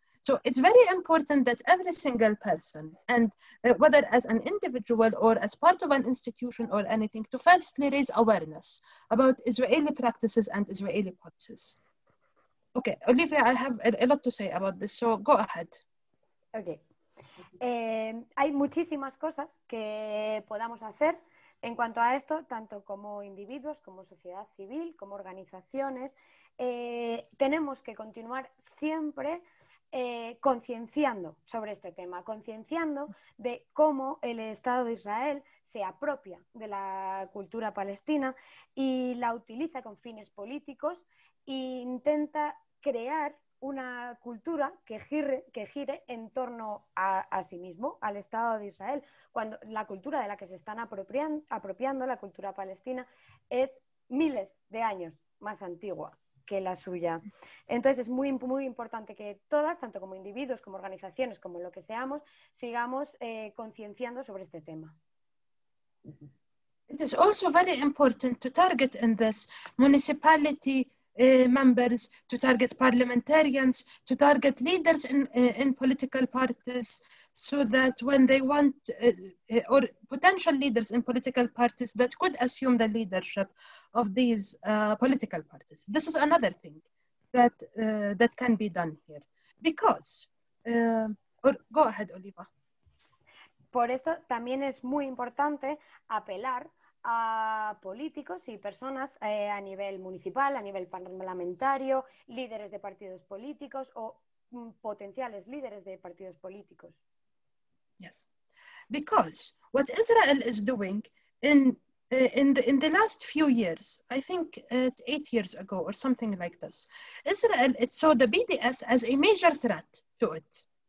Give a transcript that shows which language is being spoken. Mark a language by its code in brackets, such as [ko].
[en] So it's very important that every single person, and whether as an individual or as part of an institution or anything, to firstly raise awareness about Israeli practices and Israeli policies. Okay, Olivia, I have a lot to say about this, so go ahead. Okay. [es] Hay muchísimas cosas que podamos hacer en cuanto a esto, tanto como individuos, como sociedad civil, como organizaciones. Tenemos que continuar siempre concienciando sobre este tema, concienciando de cómo el Estado de Israel se apropia de la cultura palestina y la utiliza con fines políticos e intenta crear una cultura que gire en torno a sí mismo, al Estado de Israel, cuando la cultura de la que se están apropiando, la cultura palestina, es miles de años más antigua que la suya. Entonces es muy, muy importante que todas, tanto como individuos, como organizaciones, como lo que seamos, sigamos concienciando sobre este tema. [en] It is also very important to target in this municipality members, to target parliamentarians, to target leaders in political parties, so that when they want, or potential leaders in political parties that could assume the leadership of these political parties. This is another thing that that can be done here. Because, or go ahead, Oliva. [es] Por esto también es muy importante apelar a políticos y personas a nivel municipal, a nivel parlamentario, líderes de partidos políticos o potenciales líderes de partidos políticos. [en] Yes, because what Israel is doing in the last few years, I think 8 years ago or something like this, Israel it saw the BDS as a major threat to it.